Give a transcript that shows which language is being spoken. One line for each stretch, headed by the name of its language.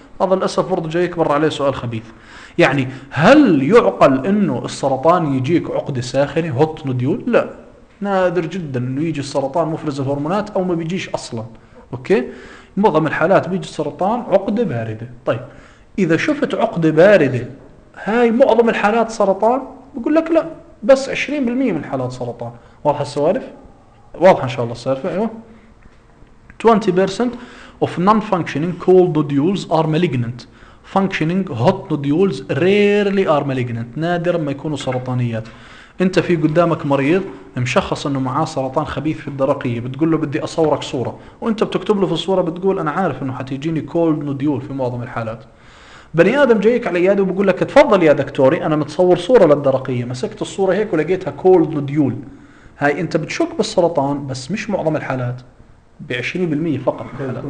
Arabic: هذا للاسف برضه جايك برا عليه سؤال خبيث. يعني هل يعقل انه السرطان يجيك عقده ساخنه هوت نوديول؟ لا, نادر جدا انه يجي السرطان مفرز الهرمونات او ما بيجيش اصلا. اوكي, معظم الحالات بيجي السرطان عقده بارده. طيب إذا شفت عقدة باردة هاي معظم الحالات سرطان, بقول لك لا, بس 20% من حالات سرطان. واضح السوالف؟ واضح إن شاء الله السالفة.
English: أيوة, 20% of non-functioning cold nodules are malignant, functioning hot nodules rarely are malignant,
Arabic: نادرا ما يكونوا سرطانيات. أنت في قدامك مريض مشخص أنه معاه سرطان خبيث في الدرقية, بتقول له بدي أصورك صورة, وأنت بتكتب له في الصورة بتقول أنا عارف أنه حتيجيني cold nodule في معظم الحالات. بني آدم جايك على عيادة وبقول لك تفضل يا دكتوري أنا متصور صورة للدرقية, مسكت الصورة هيك ولقيتها cold nodule, هاي أنت بتشك بالسرطان بس مش معظم الحالات, ب20% فقط الحالات.